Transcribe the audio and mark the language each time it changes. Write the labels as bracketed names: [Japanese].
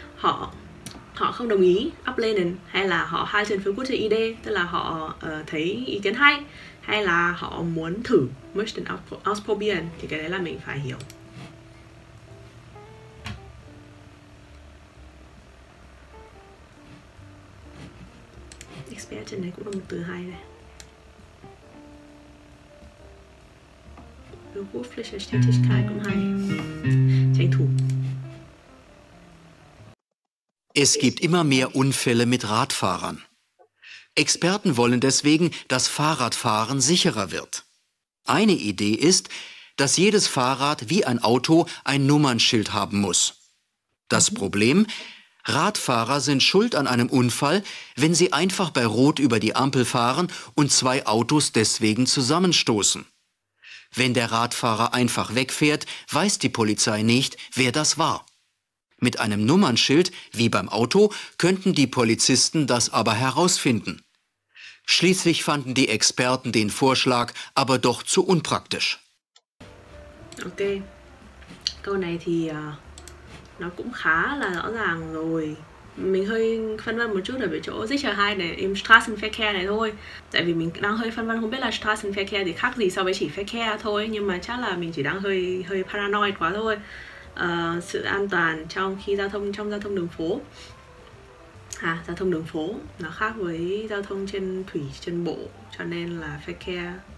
[Vietnamese] Họ không đồng ý, ablehnen, hay là họ [German] halten für gute Idee, [Vietnamese] tức là họ thấy ý kiến hay, hay là họ muốn thử, [German] möchten ausprobieren, [Vietnamese] thì cái đấy là mình phải hiểu. Experten này cũng là một từ hay này. Berufliche Tätigkeit cũng hay. Tranh thủ. [German] Es gibt immer mehr Unfälle mit Radfahrern. Experten wollen deswegen, dass Fahrradfahren sicherer wird. Eine Idee ist, dass jedes Fahrrad wie ein Auto ein Nummernschild haben muss. Das Problem? Radfahrer sind schuld an einem Unfall, wenn sie einfach bei Rot über die Ampel fahren und zwei Autos deswegen zusammenstoßen. Wenn der Radfahrer einfach wegfährt, weiß die Polizei nicht, wer das war. Mit einem Nummernschild, wie beim Auto, könnten die Polizisten das aber herausfinden. Schließlich fanden die Experten den Vorschlag aber doch zu unpraktisch. [Vietnamese] Okay, câu này thì nó cũng khá là rõ ràng rồi. Mình hơi phân vân một chút ở chỗ Sicherheit này, [German] im Straßenverkehr [Vietnamese] này thôi. Tại vì mình đang hơi phân vân không biết là Straßenverkehr thì khác gì so với chỉ Verkehr thôi. Nhưng mà chắc là mình chỉ đang hơi paranoid quá thôi. Sự an toàn trong giao thông đường phố nó khác với giao thông trên thủy, trên bộ, cho nên là Verkehr.